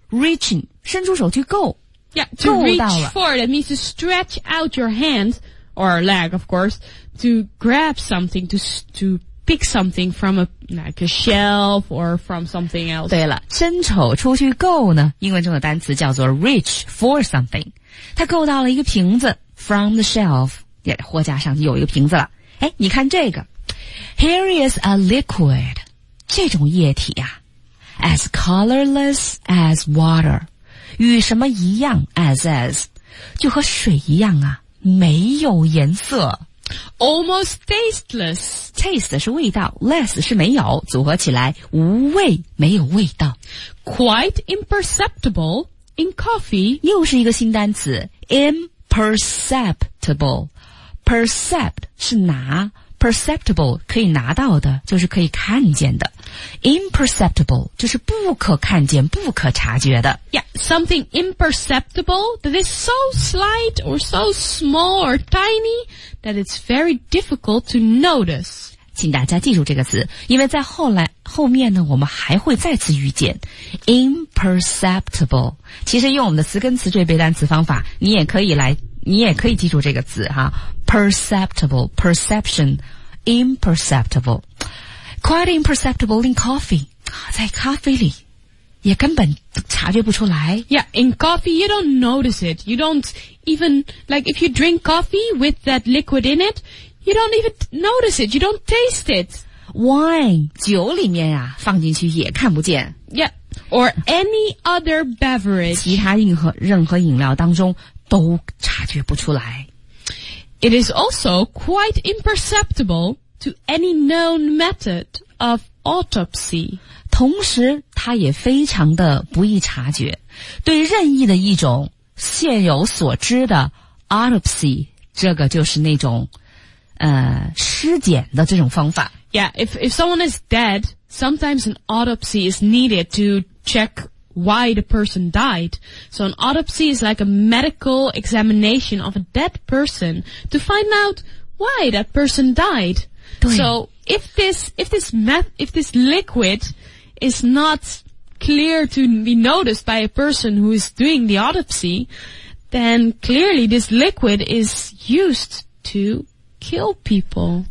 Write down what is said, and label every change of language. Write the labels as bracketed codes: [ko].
[zh] Reaching， 伸出手去够。 [en] Yeah, to reach for that means to stretch out your hand or leg, of course, to grab something, to pick something from a like a shelf or from something else. [zh] 对了，伸手出去够呢，英文中的单词叫做 reach for something。他够到了一个瓶子 ， [en] from the shelf， [zh] 也货架上有一个瓶子了。哎，你看这个。 [en] Here is a liquid, [zh] 这种液体啊 [en] as colorless as water, [zh] 与什么一样 as, 就和水一样啊，没有颜色。 [en] Almost tasteless. [zh] Taste 是味道， less 是没有，组合起来无味，没有味道。 [en] Quite imperceptible in coffee. [zh] 又是一个新单词 imperceptible. Percept 是拿，perceptible 可以拿到的，就是可以看见的。 imperceptible 就是不可看见，不可察觉的。 [en] Yeah, something imperceptible that is so slight or so small or tiny that it's very difficult to notice. [zh] 请大家记住这个词，因为在后面呢，我们还会再次遇见 imperceptible。其实用我们的词根词缀背单词方法，你也可以记住这个词哈。 [en] Perceptible, perception, imperceptible. Quite imperceptible in coffee. [zh] 在咖啡里也根本察觉不出来。 [en] Yeah, in coffee you don't notice it. You don't even, like if you drink coffee with that liquid in it, you don't even notice it. You don't taste it. [zh] Wine, 酒里面啊，放进去也看不见。 [en] Yeah, or any other beverage. [zh] 其他任何饮料当中都察觉不出来。 [en] It is also quite imperceptible to any known method of autopsy. [zh] 同时它也非常的不易察觉，对任意的一种现有所知的 autopsy， 这个就是那种尸检的这种方法。 [en] Yeah, if someone is dead, sometimes an autopsy is needed to check why the person died. So an autopsy is like a medical examination of a dead person to find out why that person died. So if this liquid is not clear to be noticed by a person who is doing the autopsy, then clearly this liquid is used to kill people.